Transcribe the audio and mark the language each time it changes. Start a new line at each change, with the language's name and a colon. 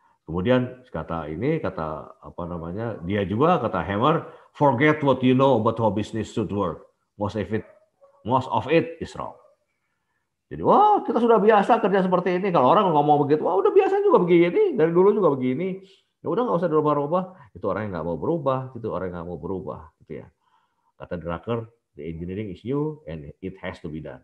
Indonesian: Kemudian kata Hammer,
English: forget what you know about how business should work. Most of it is wrong.
Indonesian: Jadi, wah, kita sudah biasa kerja seperti ini. Kalau orang ngomong begitu, wah, udah biasa juga begini, dari dulu juga begini. Ya udah nggak usah berubah-ubah, itu orang yang nggak mau berubah, itu orang yang nggak mau berubah, gitu ya. Kata Drucker,
English: the engineering is new and it has to be done.